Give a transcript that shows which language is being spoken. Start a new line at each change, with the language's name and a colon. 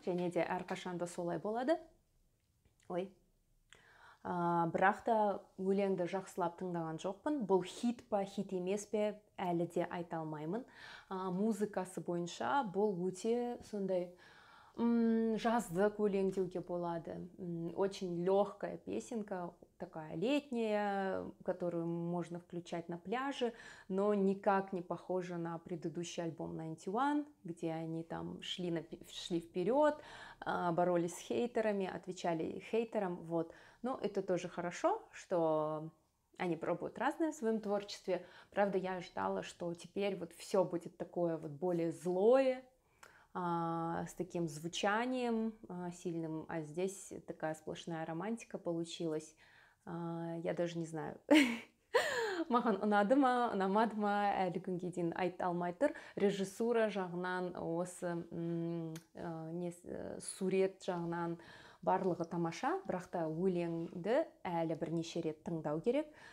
Kazakh: Және де әрқашанда солай болады. Ой. Бірақ та өлеңді жақсылап тыңдаған жоқпын. Бұл хит па, хит емес пе, әлі де айта алмаймын. Музыкасы бойынша бұл өте сондай жаздық өлең деуге болады.
Russian: Очень легкая песенка, такая летняя, которую можно включать на пляже, но никак не похожа на предыдущий альбом 91, где они там шли вперед, боролись с хейтерами, отвечали хейтерам. Вот. Но это тоже хорошо, что они пробуют разное в своем творчестве. Правда, я ожидала, что теперь вот все будет такое вот более злое, с таким звучанием сильным, а здесь такая сплошная романтика получилась. Я даже не знаю.
Kazakh: Маған ұнады ма, ұнамады ма, әлі күнге дейін айта алмай тұр. Режиссура жағынан, осы сурет жағынан барлығы тамаша, бірақ та өлеңді әлі бірнеше рет тыңдау керек.